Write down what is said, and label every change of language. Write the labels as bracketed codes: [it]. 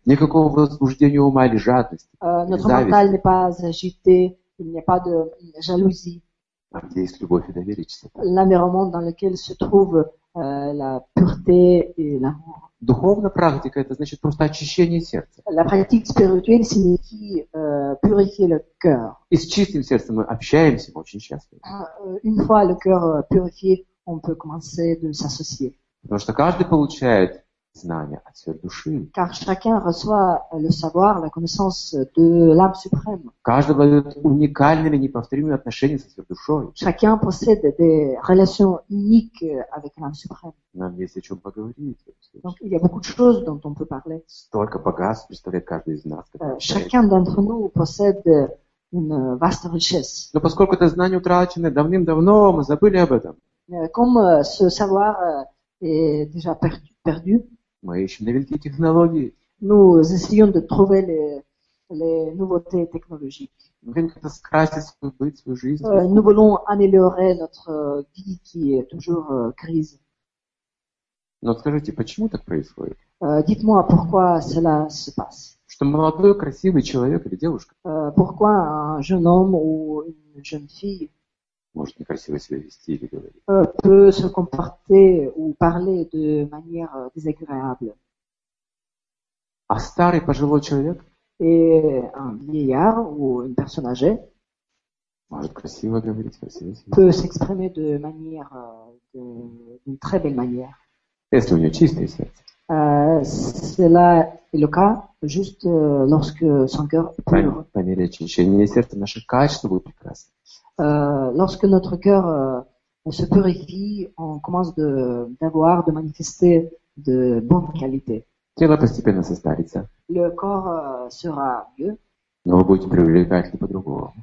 [ru] Никакого возбуждения ума или жадности. [fr] Notre mental n'est pas agité, il n'y a pas de jalousie. [ru] А где есть любовь и доверие, чистота. [fr] L'environnement dans lequel se trouve la pureté et l'amour. [ru] Духовная практика это значит просто очищение сердца. [fr] La pratique spirituelle signifie purifier le cœur. [ru] И с чистым сердцем мы общаемся, мы очень счастливы. [fr] Une fois le cœur purifié, on peut commencer de s'associer. [ru] Потому что каждый получает знания от своей души. [fr] Car chacun reçoit le savoir, la connaissance de l'âme suprême. [ru] Каждый владеет уникальными, неповторимыми отношениями со своей душой. [fr] Chacun possède des relations uniques avec l'âme suprême. [ru] Нам есть о чем поговорить. [fr] Donc il y a beaucoup de choses dont on peut parler. [ru] Столько богатств представляет каждый из нас. [fr] Chacun d'entre nous possède une vaste richesse. [ru] Но поскольку это знание утрачено давным-давно, мы забыли об этом. [fr] Comme ce savoir est déjà perdu. [ru] Мы ищем новинки технологий. [fr] Nous essayons de trouver les nouveautés technologiques. [ru] Мы хотим как-то скрасить свою быть, свою жизнь. [fr] Nous voulons améliorer notre vie qui est toujours crise. [ru] Но скажите, почему так происходит? [fr] Dites-moi pourquoi cela se passe. [ru] что молодой, красивый человек или девушка. [fr] Pourquoi un jeune homme ou une jeune fille [ru] может некрасиво себя вести или говорить. [fr] Peut se comporter ou parler de manière désagréable. [ru] А старый пожилой человек? [fr] Et un vieillard ou une personne âgée [ru] может красиво говорить, красиво себя. [fr] Peut s'exprimer de manière d'une très belle manière. [ru] Если у него чистое сердце. [fr] Cela est le cas juste lorsque son cœur est pur. [ru] По мере очищения сердца наши качества будут прекрасны. [fr] Lorsque notre cœur se purifie, on commence d'avoir, de manifester de bonnes qualités. [ru] Тело постепенно состарится. [fr] Le corps sera vieux. [ru] Но вы будете привлекательны по-другому.